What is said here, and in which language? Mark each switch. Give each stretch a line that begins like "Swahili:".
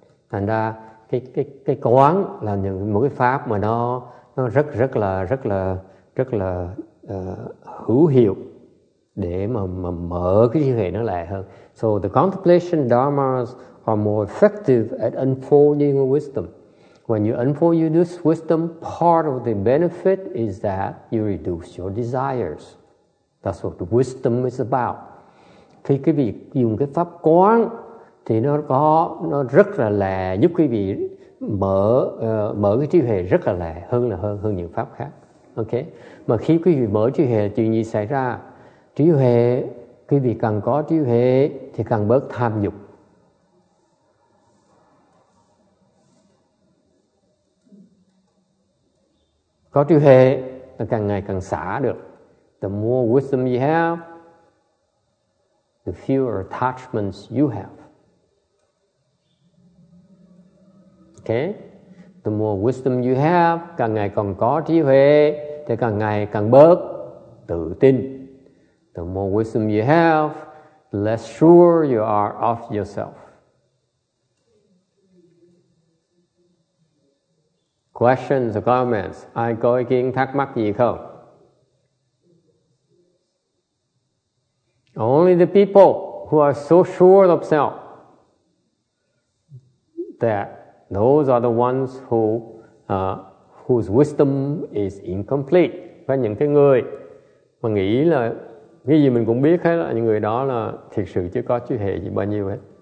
Vietnamese: Thành ra cái quán là những một cái pháp mà nó rất là hữu hiệu để mà mở cái trí huệ nó lại hơn.
English: So the contemplation dharmas are more effective at unfolding wisdom. When you unfold your wisdom, part of the benefit is that you reduce your desires. That's what the wisdom is about.
Vietnamese: Khi quý vị dùng cái pháp quán thì nó rất là lẹ, giúp quý vị mở cái trí huệ rất là lẹ hơn những pháp khác. Okay? Mà khi quý vị mở trí huệ, chuyện gì xảy ra? Trí huệ, quý vị càng có trí huệ thì càng bớt tham dục. Có trí huệ là càng ngày càng xả được.
English: The more wisdom you have, the fewer attachments you have. Okay? The more wisdom you have,
Vietnamese: càng ngày càng có trí huệ thì càng ngày càng bớt tự tin.
English: The more wisdom you have, the less sure you are of yourself. Questions or comments?
Vietnamese: Ai có ý kiến thắc mắc gì không?
English: Only the people who are so sure of self, that those are the ones who whose wisdom is incomplete.
Vietnamese: Và những cái người mà nghĩ là cái gì mình cũng biết hết, là những người đó là thiệt sự chưa có trí huệ gì bao nhiêu hết.